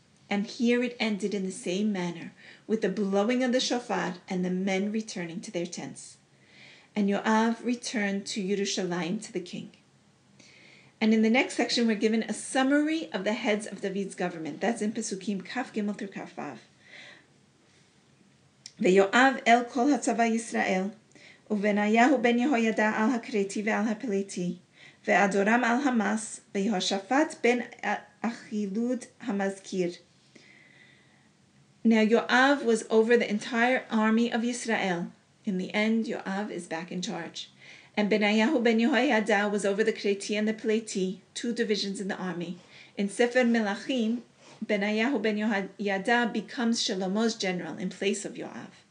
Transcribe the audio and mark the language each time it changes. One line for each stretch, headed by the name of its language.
English: And here it ended in the same manner, with the blowing of the shofar and the men returning to their tents. And Yoav returned to Yerushalayim to the king. And in the next section, we're given a summary of the heads of David's government. That's in Pesukim Kaf Gimel through Kaf Vav.
Hebrew: ויואב אל כל הצבא ישראל, ובניהו בן יהוידע על הקריטי ועל הפליטי, ואדורם על המס, ויהושפט בן אחילוד המזכיר.
English: Now Yoav was over the entire army of Israel. In the end, Yoav is back in charge. And Benayahu ben Yehoiada was over the Kreti and the Pleti, two divisions in the army. In Sefer Melachim, Benayahu ben Yehoiada becomes Shlomo's general in place of Yoav.